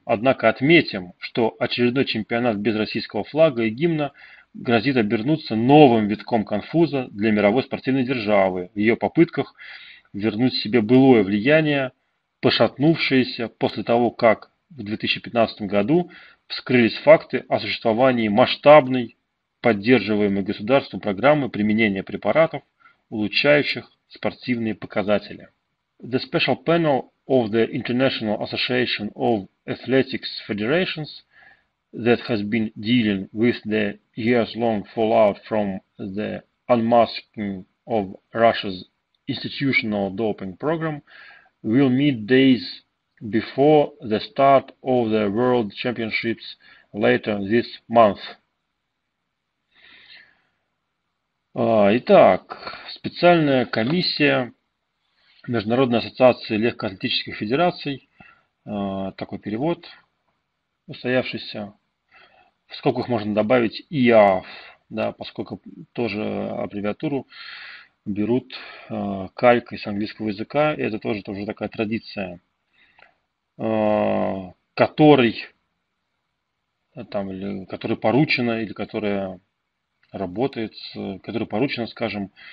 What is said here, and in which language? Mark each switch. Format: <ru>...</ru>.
<ru>Однако отметим, что очередной чемпионат без российского флага и гимна грозит обернуться новым витком конфуза для мировой спортивной державы в ее попытках вернуть себе былое влияние пошатнувшаяся после того, как в 2015 году вскрылись факты о существовании масштабной, поддерживаемой государством программы применения препаратов, улучшающих спортивные показатели.</ru> <en>The Special Panel of the International Association of Athletics Federations that has been dealing with the years-long fallout from the unmasking of Russia's institutional doping program will meet days before the start of the World Championships later this month.</en> <ru>Итак, специальная комиссия Международной ассоциации легкоатлетических федераций, такой перевод, устоявшийся, в скобках можно добавить ИАФ, да, поскольку тоже аббревиатуру берут калькой с английского языка, и это тоже уже такая традиция, который поручена или которая работает, который поручено, скажем,</ru>